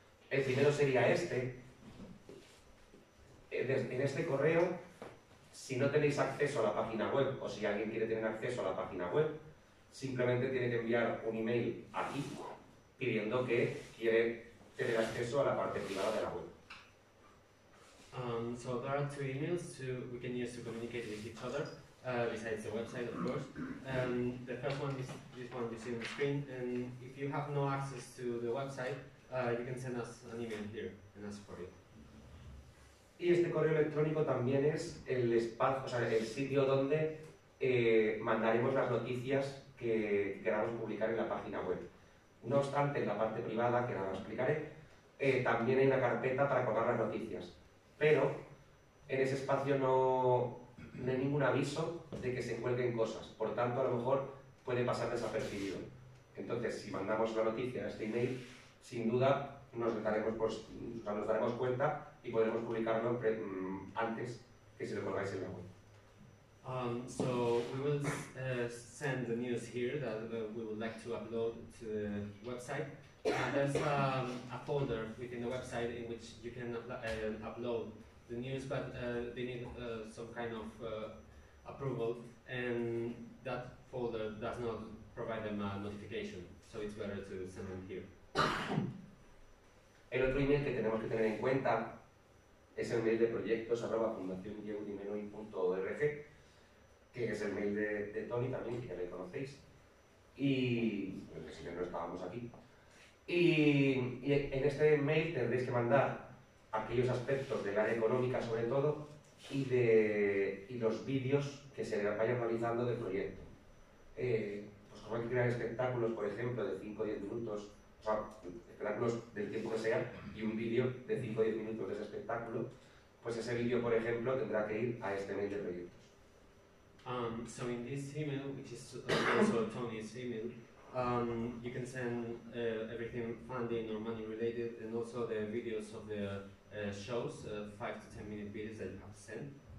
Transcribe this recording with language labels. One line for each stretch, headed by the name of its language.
Spanish: El primero sería este. En este correo, si no tenéis acceso a la página web o si alguien quiere tener acceso a la página web, simplemente tiene que enviar un email aquí pidiendo que quiere tener acceso a la parte privada de la web.
English: So there are two emails we can use to communicate with each other. Besides the website, of course. The first one is this one you see on the screen, and if you have no access to the website, you can send us an email here and ask for it.
Spanish: Y este correo electrónico también es el espacio, o sea, el sitio donde mandaremos las noticias que queramos publicar en la página web. No obstante, en la parte privada, que ahora explicaré, también hay una carpeta para colgar las noticias. Pero en ese espacio no hay ningún aviso de que se cuelguen cosas, por tanto, a lo mejor puede pasar desapercibido. Entonces, si mandamos la noticia a este email, sin duda nos daremos cuenta y podremos publicarlo antes que se lo colgáis en la web.
English: So we will send the news here that we would like to upload to the website. There's a folder within the website in which you can upload the news, but they need some kind of approval, and that folder does not provide them a notification, so it's better to send them here.
Spanish: El otro email que tenemos que tener en cuenta es el mail de proyectos arroba fundación yehudi-menuhin.org, que es el mail de Tony también, que ya le conocéis, y si no estábamos aquí. Y en este mail tendréis que mandar aquellos aspectos del área económica, sobre todo, y los vídeos que se vayan realizando del proyecto. Pues como hay que crear espectáculos, por ejemplo, de 5 o 10 minutos, o sea, espectáculos del tiempo que sea, y un vídeo de 5 o 10 minutos de ese espectáculo, pues ese vídeo, por ejemplo, tendrá que ir a este mail de proyectos.
English: So in this email, which is also Tony's email, You can send everything funding or money related, and also the videos of the shows, 5 to 10 minute videos that you have sent.